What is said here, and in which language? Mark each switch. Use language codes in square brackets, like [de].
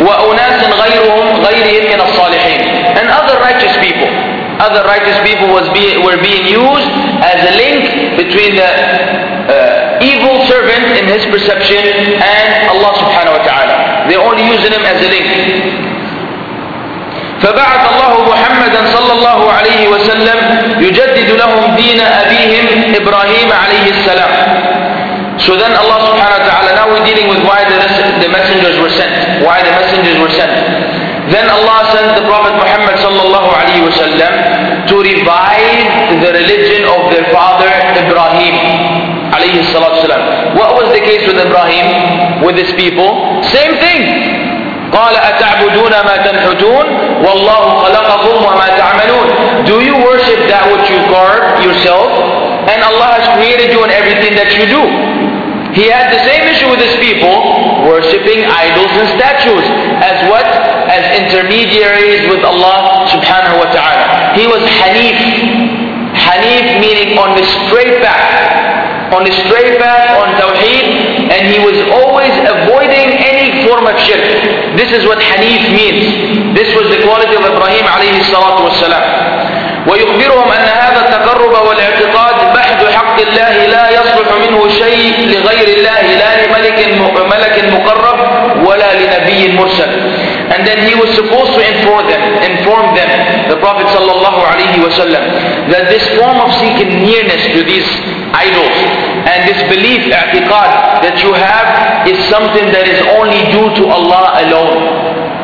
[ar] وَأُنَاسٍ غَيْرُهُمْ غَيْرِهِمْ مِنَ الصَّالِحِينَ. [en] And other righteous people. Other righteous people were being used as a link between the evil servant in his perception and Allah subhanahu wa ta'ala. They're only using him as a link. [ar] فبعث الله محمدا صلى الله عليه وسلم يجدد لهم دين أبيهم إبراهيم عليه السلام. [en] So then Allah subhanahu wa ta'ala, now we're dealing with why the messengers were sent. Why the messengers were sent. Then Allah sent the Prophet Muhammad sallallahu alayhi wa sallam to revive the religion of their father Ibrahim. alayhi salatu wasalam. What was the case with Ibrahim, with his people? [ar] Same thing. قَالَ أَتَعْبُدُونَ مَا تَنْحُتُونَ وَاللَّهُ خَلَقَكُمْ وَمَا تَعْمَلُونَ. [en] Do you worship that which you carve yourself? And Allah has created you and everything that you do. He had the same issue with his people, worshipping idols and statues. As what? As intermediaries with Allah subhanahu wa ta'ala. He was hanif. Hanif meaning on the straight path. On the straight path, on tawheed. And he was always avoiding any form of shirk. This is what hanif means. This was the quality of Ibrahim alayhi salatu wa salam. [ar] ويخبرهم أن هذا التقرب والاعتقاد بحد حق الله لا يصلح منه شيء لغير الله لا لملك مقرب ولا لنبي مرسل. [en] And then he was supposed to inform them, the Prophet sallallahu alaihi wasallam, that this form of seeking nearness to these idols and this belief, اعتقاد, that you have is something that is only due to Allah alone.